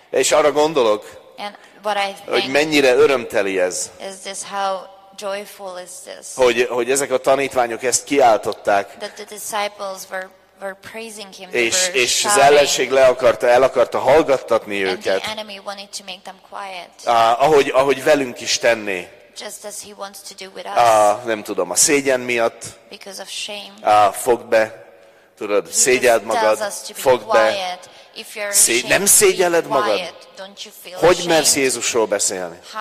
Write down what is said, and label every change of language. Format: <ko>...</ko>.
<hu>És arra gondolok,</hu> <en>and what I think,</en> <hu>hogy mennyire örömteli ez.</hu> <en>Is this how joyful is this?</en> <hu>Hogy ezek a tanítványok ezt kiáltották.</hu> <en>That the disciples were praising him.</en> <hu>És az ellenség el akarta hallgattatni őket.</hu> <en>And the enemy wanted to make them quiet.</en> <hu>Ahogy velünk is tenné.</hu> <en>Just as he wants to do with us.</en> <hu>Nem tudom, a szégyen miatt.</hu> <en>Because of shame.</en> <hu>Fogd be, tudod, szégyeld magad, fogd be. Nem szégyelled magad? Hogy mersz Jézusról beszélni?</hu>